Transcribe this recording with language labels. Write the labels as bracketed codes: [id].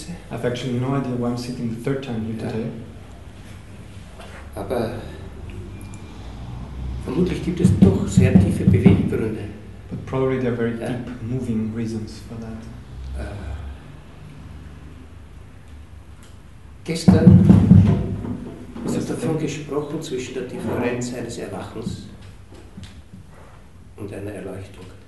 [en] I've actually no idea why I'm sitting the third time here today. [de] Aber vermutlich gibt es doch sehr tiefe Beweggründe. [en] But probably there are very deep moving reasons for that. [de] Gestern ist davon gesprochen zwischen der Differenz eines Erwachens und einer Erleuchtung.